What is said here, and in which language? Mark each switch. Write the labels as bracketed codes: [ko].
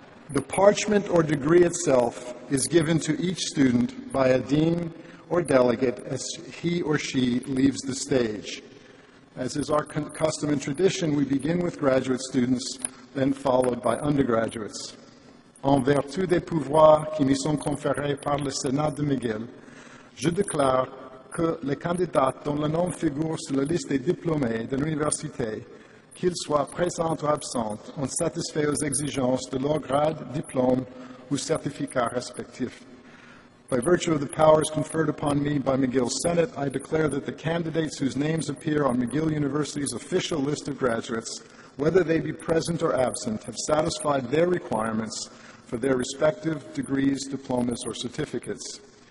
[en] The parchment or degree itself is given to each student by a dean or delegate as he or she leaves the stage. As is our custom and tradition, we begin with graduate students, then followed by undergraduates. [fr] En vertu des pouvoirs qui me sont conférés par le Sénat de McGill, je déclare que les candidats dont le nom figure sur la liste des diplômés de l'université, qu'ils soient présents ou absents, ont satisfait aux exigences de leur grade, diplôme ou certificat respectif. [en] By virtue of the powers conferred upon me by McGill Senate, I declare that the candidates whose names appear on McGill University's official list of graduates, whether they be present or absent, have satisfied their requirements for their respective degrees, diplomas, or certificates.